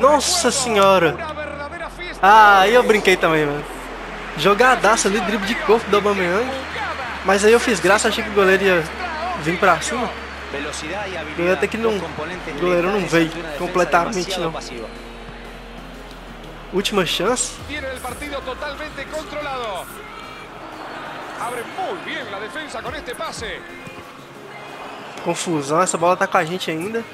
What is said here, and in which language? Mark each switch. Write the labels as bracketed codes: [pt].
[pt] Nossa senhora. Ah, aí eu brinquei também, mano. Jogadaço ali, drible de corpo do Aubameyang. Mas aí eu fiz graça, achei que o goleiro ia vir pra cima. Eu até que não. O goleiro não veio completamente, não. Última chance. [es] Tiene el partido totalmente controlado. Abre muy bien la defensa con este pase. [pt] Confusão, essa bola tá com a gente ainda.